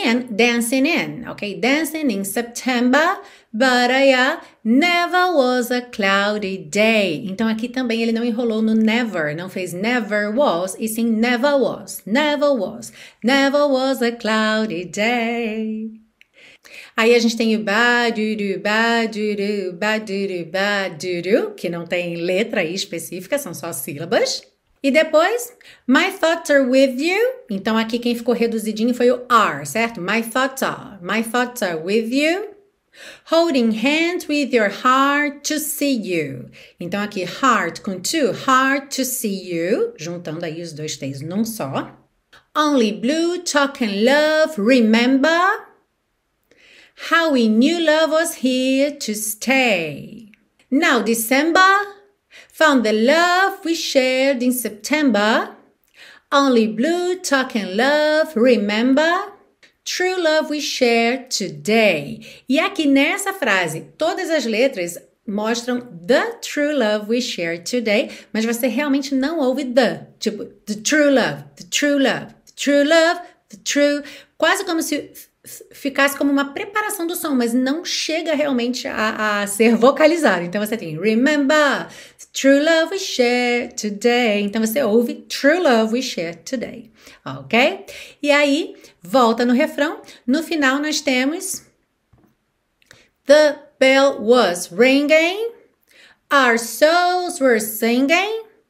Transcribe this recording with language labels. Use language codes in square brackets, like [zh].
[en] Dancing in, ok? Dancing in September. But yeah, never was a cloudy day. [pt] Então aqui também ele não enrolou no never, não fez never was, e sim never was. [en] Never was a cloudy day. [pt] Aí a gente tem o ba-du-du, ba-du-du, ba-du-du, ba-du-du, que não tem letra aí específica, são só sílabas. E depois, [en] my thoughts are with you. [pt] Então aqui quem ficou reduzidinho foi o are, certo? [en] My thoughts are with you. Holding hands with your heart to see you. Então aqui, heart com to, heart to see you. [pt] Juntando aí os dois T's num só. [en] Only blue, talk and love, remember. How we knew love was here to stay. Now, December found the love we shared in September. Only blue talk and love, remember? True love we share today. [pt] E aqui nessa frase, todas as letras mostram [en] the true love we share today, [pt] mas você realmente não ouve the. [en] Tipo, the true love, the true love, the true love, the true. [pt] Quase como se ficasse como uma preparação do som, mas não chega realmente a ser vocalizado. Então você tem [en] remember, true love we share today. [pt] Então você ouve [en] true love we share today. [pt] Ok? E aí, volta no refrão. No final nós temos [en] the bell was ringing, our souls were singing.